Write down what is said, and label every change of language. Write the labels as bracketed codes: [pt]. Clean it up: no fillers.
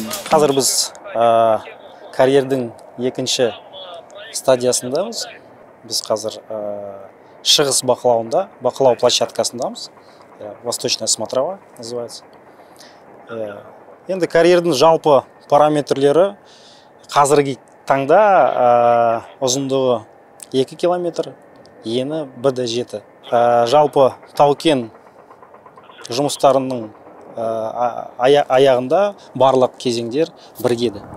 [kk] Қазір біз карьердің екінші стадиясындамыз. Біз қазір шығыс бақылауында, бақылау площадкасындамыз. [ru] Восточная смотрова называется. [kk] Енді карьердің жалпы параметрлері қазіргі таңда ұзындығы 2 км, ені 1.7. Жалпы тау-кен жұмыстарының аяғында барлық кезеңдер біргеді.